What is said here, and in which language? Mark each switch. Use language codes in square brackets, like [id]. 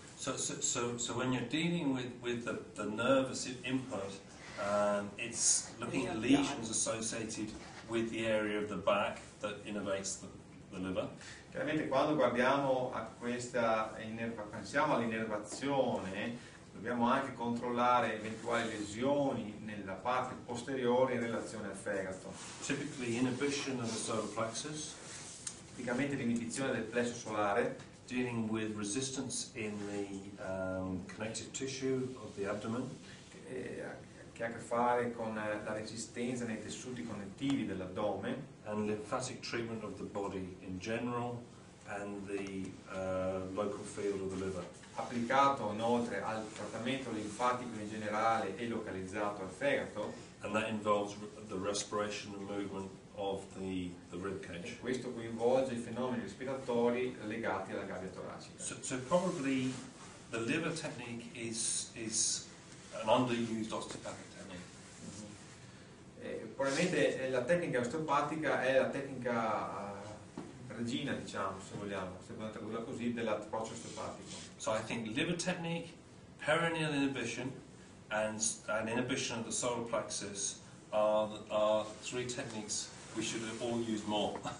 [en] So when you're dealing with the nervous input, it's looking at lesions associated with the area of the back that innervates the liver. [it] Chiaramente quando guardiamo a questa pensiamo all'innervazione, dobbiamo anche controllare eventuali lesioni nella parte posteriore in relazione al fegato. [en] Typically inhibition of the solar plexus. [it] Tipicamente l'inibizione del plesso solare. [en] Dealing with resistance in the connective tissue of the abdomen. [it] Che ha a che fare con la resistenza nei tessuti connettivi dell'addome. [en] And lymphatic treatment of the body in general and the local field of the liver. [it] Applicato inoltre al trattamento linfatico in generale e localizzato al fegato. [en] And that involves the respiration and movement of the rib cage. [it] Questo coinvolge i fenomeni respiratori legati alla gabbia toracica. [en] So probably the liver technique is an underused osteopathic technique. Mm-hmm. [it] Probabilmente la tecnica osteopatica è la tecnica regina, diciamo, se vogliamo, se vogliamo tradurla così, dell'approccio osteopatico. [en] So I think liver technique, perineal inhibition, and inhibition of the solar plexus are three techniques we should all use more.